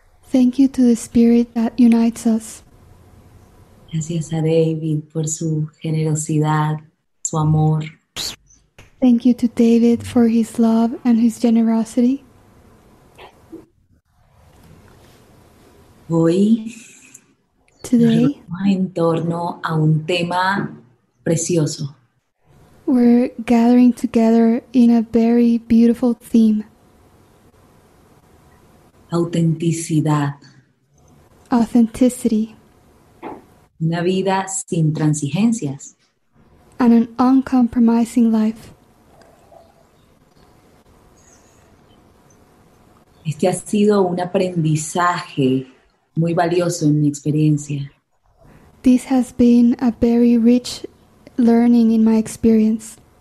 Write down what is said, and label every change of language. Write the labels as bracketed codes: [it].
[en] Thank you to the spirit that unites us. [es] Gracias a David por su generosidad, su amor. [en] Thank you to David for his love and his generosity. [es] Hoy, [en] today, [es] en torno a un tema precioso. [en] We're gathering together in a very beautiful theme. [es] Autenticidad. [en] Authenticity. [es] Una vida sin transigencias. [en] And an uncompromising life. [es] Este ha sido un aprendizaje muy valioso en mi experiencia. [en] This has been a very rich learning in my experience.